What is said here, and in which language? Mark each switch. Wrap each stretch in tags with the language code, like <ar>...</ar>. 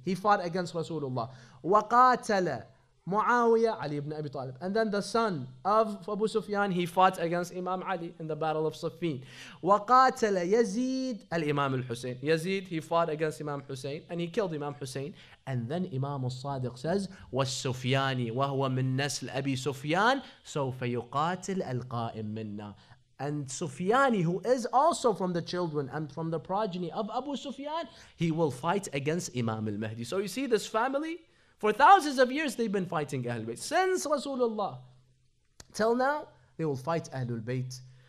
<en>He fought against Rasulullah.</en> <ar>Wa qatala Muawiyah Ali ibn Abi Talib.</ar> <en>And then the son of Abu Sufyan, he fought against Imam Ali in the Battle of Siffin.</en> <ar>وَقَاتَلَ يَزِيد الْإِمَامُ الْحُسَيْنِ.</ar> <en>Yazid, he fought against Imam Hussein and he killed Imam Hussein. And then Imam al-Sadiq says,</en> <ar>وَالسُفْيَانِ وَهُوَ مِن نَسْلْ أَبِي سُفْيَان سَوْفَ يُقَاتِلْ أَلْقَائِم مِنَّا.</ar> <en>And Sufyani, who is also from the children and from the progeny of Abu Sufyan, he will fight against Imam al-Mahdi. So you see this family, for thousands of years, they've been fighting Ahlul Bayt. Since Rasulullah, till now, they will fight Ahlul Bayt.</en>